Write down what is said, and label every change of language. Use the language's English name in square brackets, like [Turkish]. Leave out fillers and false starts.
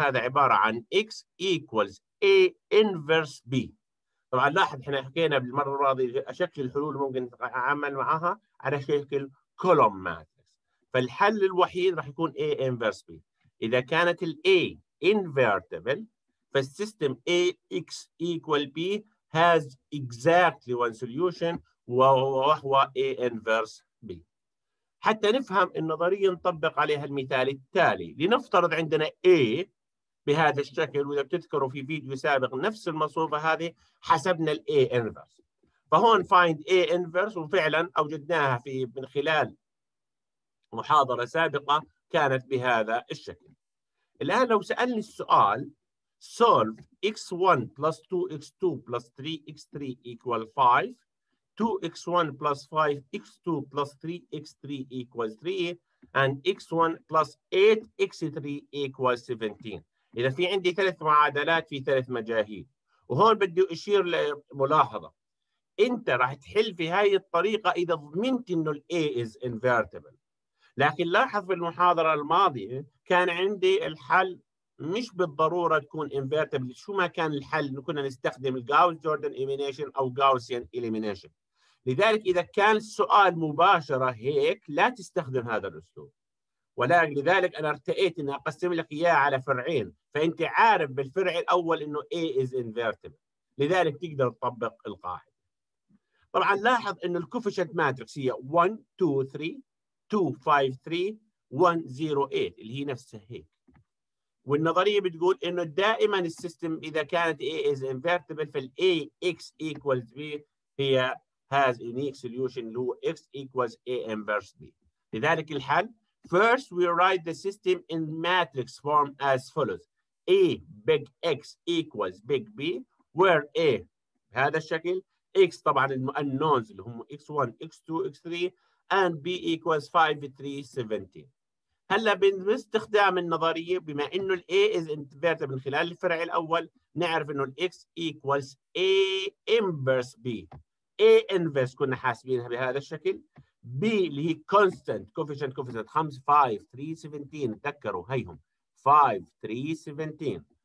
[Arabic] هذا عبارة عن [English] X equals A inverse B. [Arabic] طبعا لاحظ احنا حكينا بالمرة الماضية شكل الحلول ممكن نتعامل معها على شكل column matrix، فالحل الوحيد راح يكون A inverse B. إذا كانت ال [English] A invertible [Arabic] فالسيستم [English] A X equal B has exactly one solution [Arabic] وهو [English] A inverse B. [Arabic] حتى نفهم النظرية نطبق عليها المثال التالي. لنفترض عندنا A بهذا الشكل، وإذا بتذكروا في فيديو سابق نفس المصفوفة هذه حسبنا الـ A inverse، فهون find A inverse وفعلا أوجدناها في من خلال محاضرة سابقة كانت بهذا الشكل. الآن لو سألني السؤال [English] solve X1 plus 2X2 plus 3X3 equal 5 2x1 plus 5x2 plus 3x3 equals 3 and x1 plus 8x3 equals 17. [Arabic] إذا في عندي ثلاث معادلات في ثلاث مجاهيل، وهون بدي أشير لملاحظة، أنت راح تحل في هاي الطريقة إذا ضمنت إنه الـ A is invertible. لكن لاحظ في المحاضرة الماضية كان عندي الحل مش بالضرورة تكون invertible شو ما كان الحل، كنا نستخدم Gauss-Jordan elimination أو Gaussian elimination. لذلك إذا كان السؤال مباشرة هيك لا تستخدم هذا الأسلوب، ولكن لذلك أنا ارتأيت أن أقسم لك إياه على فرعين، فأنت عارف بالفرع الأول أنه A is invertible، لذلك تقدر تطبق القاعدة. طبعا لاحظ أنه الكوفيشنت ماتريكس هي 1, 2, 3, 2, 5, 3, 1, 0, 8 اللي هي نفسها هيك، والنظرية بتقول أنه دائما السيستم إذا كانت A is invertible فال A X equals B هي [English] has unique solution [Arabic] لو X equals A inverse B. [English] لذلك الحل first we write the system in matrix form as follows A big X equals big B, where A [Arabic] بهذا الشكل, [English] X [Arabic] طبعا [English] unknowns [Arabic] اللي هم [English] X1, X2, X3, and B equals 5370. [Arabic] هلا باستخدام النظرية بما انه الـ A is inverted من خلال الفرع الأول, نعرف انه الـ X equals A inverse B. A inverse كنا حاسبينها بهذا الشكل, B اللي هي constant coefficient 5370, تذكروا هيهم 5370.